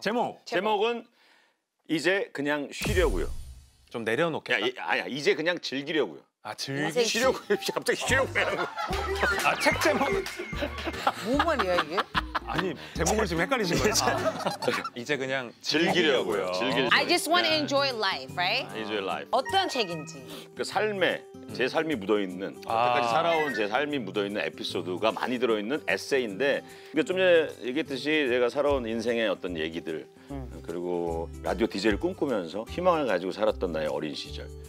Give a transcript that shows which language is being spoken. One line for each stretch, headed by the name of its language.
Korean: 제목. 제목은 이제 그냥 쉬려고요. 좀 내려놓겠다. 아니야, 이제 그냥 즐기려고요. 아, 즐기 쉬려고 갑자기 쉬려고 하는 거. 아, 책 제목. 뭔 말이야 이게? 아니, 제목을 지금 헷갈리신 거예요. 아, 이제 그냥 즐기려고요.
English: I just want to enjoy life, right? Enjoy life.
Korean: 어떤 책인지. 그 삶에 제 삶이 묻어있는 여태까지 살아온 제 삶이 묻어있는 에피소드가 많이 들어있는 에세이인데, 그러니까 좀 전에 얘기했듯이 내가 살아온 인생의 어떤 얘기들. 그리고 라디오 DJ를 꿈꾸면서 희망을 가지고 살았던 나의 어린 시절.